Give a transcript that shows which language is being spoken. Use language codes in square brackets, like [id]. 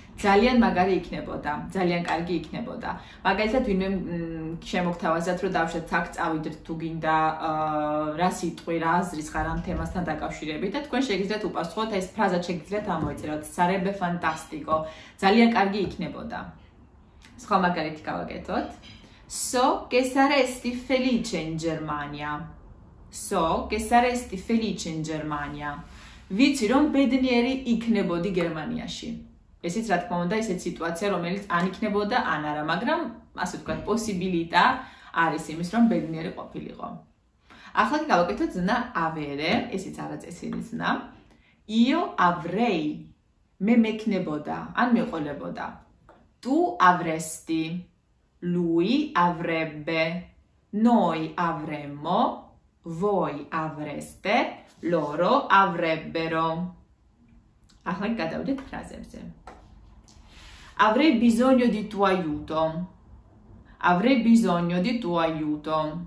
[ka] Ძალიან მაგარი იქნებოდა, ძალიან კარგი იქნებოდა. მაგალითად, ვინმე შემოგთავაზათ, რომ დავშეთ საქ წავიდეთ თუ გინდა, რა სიტყვი, რა აზრის ხარ ამ თემასთან დაკავშირებით და თქვენ შეგიძლიათ უპასუხოთ, ეს ფრაზა შეგიძლიათ ამოიწეროთ. [it] Sarebbe fantastico. [ka] ძალიან კარგი იქნებოდა. სხვა მაგალითი გავაკეთოთ. [it] So che saresti felice in Germania. So che saresti felice in Germania. [ka] Vici რომ ბედნიერი იქნებოდი გერმანიაში. Ესეც რა თქმა უნდა, ესეც სიტუაცია, რომელიც არ იქნებოდა ან არა, მაგრამ ასე ვთქვათ, პოსიბილიტა არის იმის, რომ ბედნიერი ყოფილიყო. ახლა კი გავაკეთოთ ზნა ავერე, ესეც არაწესიერი ზნა. [it] Io avrei. [ka] Მე მექნებოდა ან მეყოლებოდა. [it] Tu avresti. Lui avrebbe. Noi avremmo. Voi avreste. Loro avrebbero. [ka] Ახლა კი გადავდეთ ფრაზებზე. [it] Avrei bisogno di tuo aiuto. Avrei bisogno di tuo aiuto.